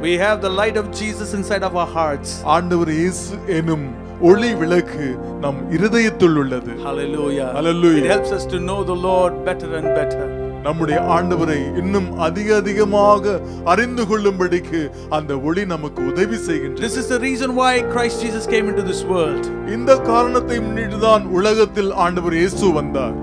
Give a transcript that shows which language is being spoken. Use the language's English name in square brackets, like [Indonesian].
[English] We have the light of Jesus inside of our hearts. [Tamil] ஆண்டவர் இயேசு எனும் ஒளி விளக்கு நம் இருதயத்தில் உள்ளது. [English] Hallelujah. Hallelujah. It helps us to know the Lord better and better. [Tamil] நம்முடைய ஆண்டவரை இன்னும் அதிக அதிகமாக அறிந்து கொள்ளும்படிக்கு அந்த ஒளி நமக்கு உதவி செய்கின்றது. [English] This is the reason why Christ Jesus came into this world. [Tamil] இந்த காரணத்தை முன்னிட்டுதான் உலகத்தில் ஆண்டவர் இயேசு வந்தார்.